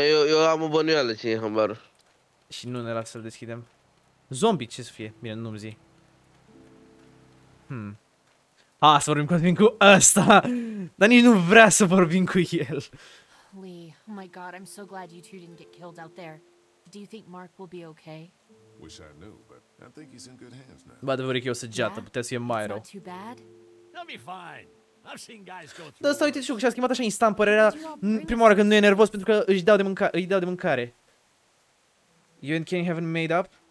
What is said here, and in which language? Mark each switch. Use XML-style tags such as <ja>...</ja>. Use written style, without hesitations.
<ro>Eu am o bănuială ce e în hambar. Și nu ne lasă să-l deschidem. Zombie, ce să fie? Bine, nu-mi zi. A, să vorbim cu ăsta. Dar nici nu vrea să vorbim cu el.</ro> <en>Lee, oh my god, I'm so glad you two didn't get killed out there. Do you think Mark will be okay? Wish I knew, but I think he's in good hands now.</en> <ro>Ba, de vorbim că e o săgeată, putea să fie mai rău.</ro> <en>Not too bad. He'll be fine. I've seen guys go through.</en> <ro>Da, asta uite și eu, și-a schimbat așa instant părerea. Prima oară când nu e nervos pentru că își dau de mâncare, îi dau de mâncare.</ro> <en>You and Kenny haven't made up?</en>